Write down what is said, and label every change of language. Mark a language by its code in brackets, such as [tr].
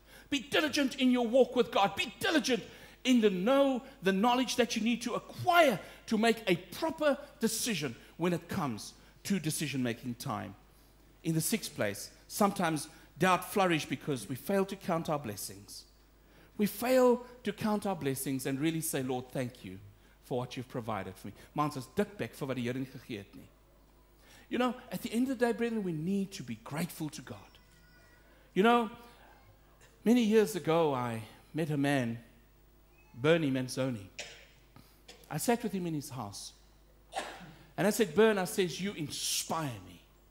[en] Be diligent in your walk with God. Be diligent in the knowledge that you need to acquire to make a proper decision when it comes to decision-making time. In the sixth place, sometimes doubt flourishes because we fail to count our blessings. We fail to count our blessings and really say, Lord, thank you for what you've provided for me. Man says, [af] dik bek vir wat die Here nie gegee het nie. [en] You know, at the end of the day, brethren, we need to be grateful to God. You know, many years ago, I met a man, Bernie Manzoni. I sat with him in his house. And I said, Bern, I says, you inspire me.